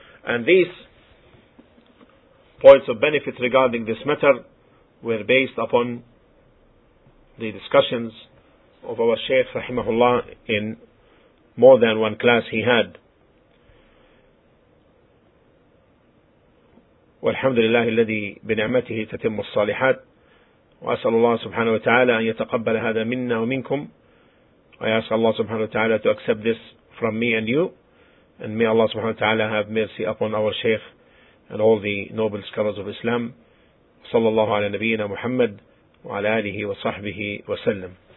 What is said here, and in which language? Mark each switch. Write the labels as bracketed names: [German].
[English] And these points of benefit regarding this matter were based upon the discussions of our Shaykh rahimahullah in more than one class he had. [Arabic] والحمد لله الذي بنعمته تتم الصالحات وأسأل الله سبحانه وتعالى أن يتقبل هذا منا ومنكم. [English] I ask Allah subhanahu wa ta'ala to accept this from me and you, and may Allah subhanahu wa ta'ala have mercy upon our Shaykh and all the noble scholars of Islam. [Arabic] صلى الله على نبينا محمد وعلى آله وصحبه وسلم.